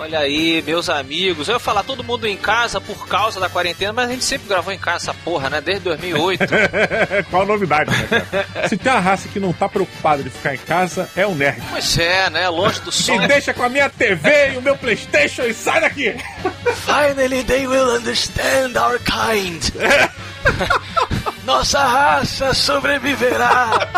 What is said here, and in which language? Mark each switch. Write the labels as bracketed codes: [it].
[pt] Olha aí, meus amigos. Eu ia falar todo mundo em casa por causa da quarentena, mas a gente sempre gravou em casa essa porra, né? Desde 2008. Qual a novidade, né, cara? Se tem uma raça que não tá preocupada de ficar em casa, é o nerd. Pois é, né? Longe do sol. Me deixa com a minha TV e o meu PlayStation e sai daqui! [en] Finally they will understand our kind. [pt] Nossa raça sobreviverá.